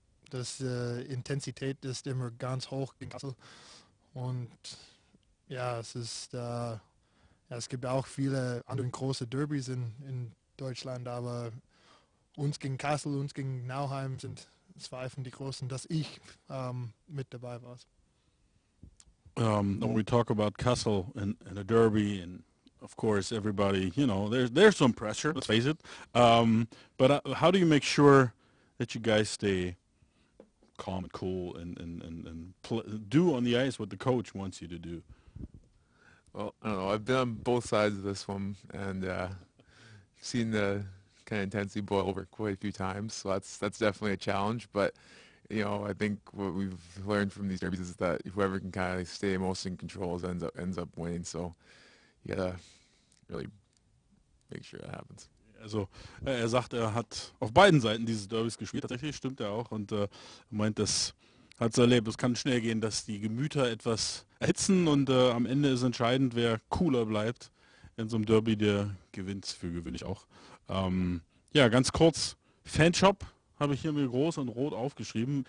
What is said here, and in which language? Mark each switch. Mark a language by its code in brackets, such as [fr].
[de] Das Intensität ist immer ganz hoch in Kassel. Und ja, es gibt auch viele andere große Derbys in Deutschland, aber uns gegen Kassel, uns gegen Nauheim sind zwei von die Großen, dass ich mit dabei war. [en] When we talk about Kassel and a derby, and of course everybody, you know, there's some pressure, let's face it. How do you make sure that you guys stay calm and cool and do on the ice what the coach wants you to do? Well, I don't know. I've been on both sides of this one and seen the kind of intensity boil over quite a few times, so that's definitely a challenge. But you know, I think what we've learned from these derbies is that whoever can kind of stay most in control ends up winning. So you gotta really make sure that happens. [de] Also er sagt, er hat auf beiden Seiten dieses Derbys gespielt. Tatsächlich stimmt er auch und meint, das hat es erlebt. Es kann schnell gehen, dass die Gemüter etwas ätzen und am Ende ist entscheidend, wer cooler bleibt. In so einem Derby, der gewinnt für gewöhnlich auch. Ja, ganz kurz, Fanshop habe ich hier mir groß und rot aufgeschrieben.